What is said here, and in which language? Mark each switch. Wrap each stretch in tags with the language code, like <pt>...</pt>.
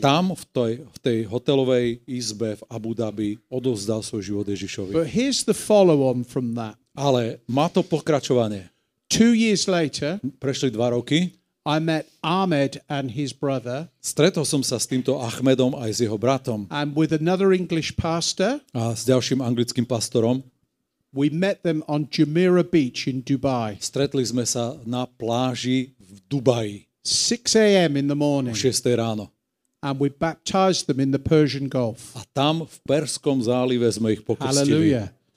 <sk>Takže tam v tej hotelovej izbe v Abu Dhabi odovzdal svoj život Ježišovi.</sk> <en>But here's the follow-on from that.</en> <sk>Ale má to pokračovanie.</sk> <en>2 years later,</en> <sk>prešli 2 roky,</sk> <en>I met Ahmed and his brother.</en> <sk>Stretol som sa s týmto Ahmedom aj s jeho bratom.</sk> <en>And with another English pastor.</en> <sk>A s ďalším anglickým pastorom.</sk> <en>We met them on Jumeirah Beach in Dubai.</en> <sk>Stretli sme sa na pláži v Dubaji.</sk> <en>6 a.m. in the morning.</en> <sk>O 6. ráno.</sk> <en>And we baptized them in the Persian Gulf.</en> <sk>A tam v Perskom zálive sme ich pokrstili.</sk> <en>Hallelujah.</en>